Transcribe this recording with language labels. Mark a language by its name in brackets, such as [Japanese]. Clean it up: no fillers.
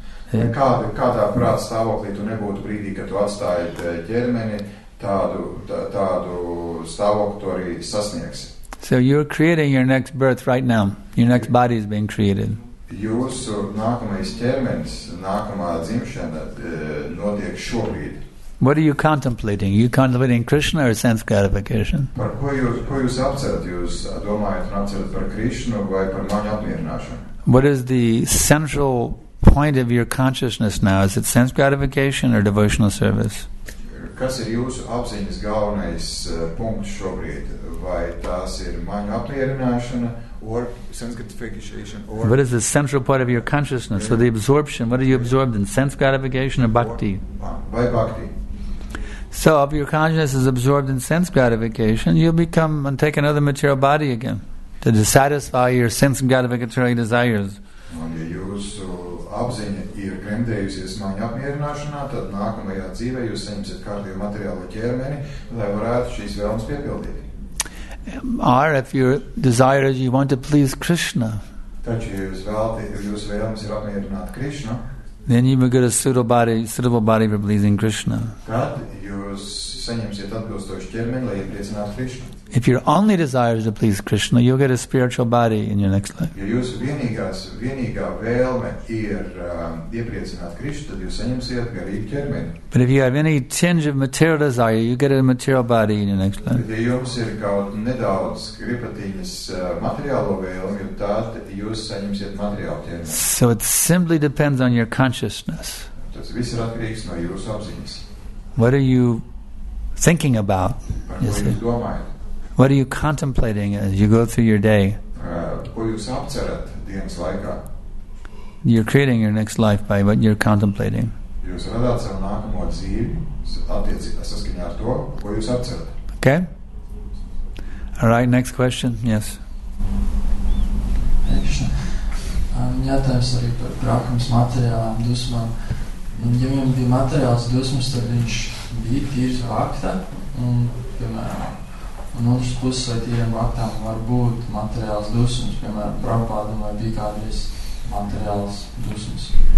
[Latvian] Kādā prāta stāvoklī tu nebūtu brīdī, kad tu atstāji ķermeni, tādu stāvokli tu arī sasniegsi. [English] So you're creating your next birth right now. Your next body is being created. [Latvian] Jūsu nākamais ķermenis, nākamā dzimšana notiek šobrīd. [English] What are you contemplating? Are you contemplating Krishna or sense gratification? [Latvian] Par ko jūs apcerat? Jūs domājat un apcerat par Krishnu vai par maņu apmierināšanu? [English] What is the central point of your consciousness now? Is it sense gratification or devotional service? [Latvian] Kas ir jūsu apziņas galvenais punkts šobrīd? Vai tās ir maņu apmierināšana [English] or sense gratification? Or what is the central point of your consciousness? So the absorption, what are you absorbed in? Sense gratification or bhakti? [Latvian] Vai bhakti. [English] So if your consciousness is absorbed in sense gratification, you'll become and take another material body again to satisfy your sense gratificatory desires. [Latvian] Un, ja jūsu apziņa ir gremdējusies maņu apmierināšanā, tad nākamajā dzīvē jūs saņemsiet kārtīgu materiālu ķermeni, lai varētu šīs vēlmes piepildīt. [English] Or if your desire is you want to please Krishna, [Latvian] taču, ja jūs vēlmes ir apmierināt Krishna, [English] then you will get a suitable body for pleasing Krishna. [Latvian] Tad jūs saņemsiet atbilstošu ķermeni, lai iepriecinātu Krishna. [English] If your only desire is to please Krishna, you'll get a spiritual body in your next life. [Latvian] Ja jūsu vienīgā vēlme ir iepriecināt Krishna, tad jūs saņemsiet garīgu ķermeni. [English] But if you have any tinge of material desire, you get a material body in your next life. [Latvian] Ja jums ir kaut nedaudz gripatiņas materiālo vēlmi, tad jūs saņemsiet materiālu ķermeni. [English] So it simply depends on your consciousness. [Latvian] Tas viss ir atkarīgs no jūsu apziņas. [English] What are you thinking about? [Latvian] Par ko jūs domājat? [English] What are you contemplating as you go through your day? [Latvian] Ko jūs apcerat dienas laikā? [English] You're creating your next life by what you're contemplating. [Latvian] Jūs radāt savu nākamo dzīvi, attiecībā saskaņā ar to, ko jūs apcerat. [English] Okay. All right, next question. Yes. [Latvian] Jātājums arī par prākums materiālām dusmām. Un, ja viņam bija materiāls dusmas, tad viņš bija tīrs vakta un, piemēram, un otrs puses, vai tiem aktām var būt materiāls dusums, piemēram, Prabhupāda, vai bija kādreiz materiāls dusums?